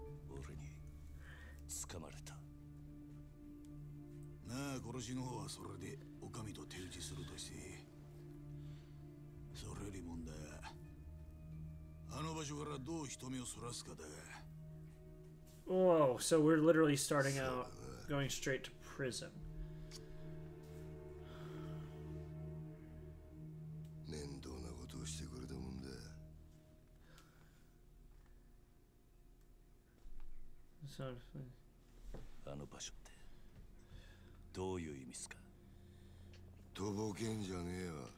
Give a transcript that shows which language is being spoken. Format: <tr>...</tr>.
<ja>俺に捕まれた。なあ、殺しの方はそれで女将と手打ちするとして、それより問題はあの場所からどう人目をそらすかだが。</ja> <en>Whoa, so we're literally starting out going straight to prison.</en> <ja>面倒なことをしてくれたもんだ。あの場所ってどういう意味すか。とぼけんじゃねえわ。</ja>